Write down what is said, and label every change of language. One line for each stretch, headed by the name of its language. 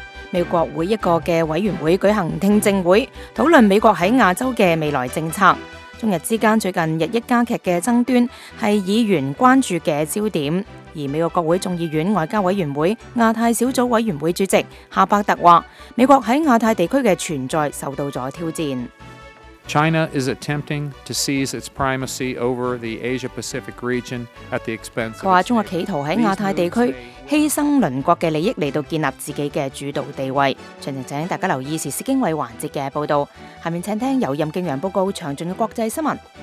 Chinese: 美国会一个的委员会举行听证会，讨论美国在亚洲的未来政策。中日之间最近日益加剧的争端是议员关注的焦点。而美国国会众议院外交委员会亚太小组委员会主席夏伯特说，美国在亚太地区的存在受到了挑战。
English: China is attempting to seize its primacy over the Asia-Pacific region at the expense of.
Chinese: 他说中国企图在亚太地区牺牲邻国的利益来建立自己的主导地位。详情请大家留意时事经纬环节的报道。下面请听由任敬阳报告详尽的国际新闻。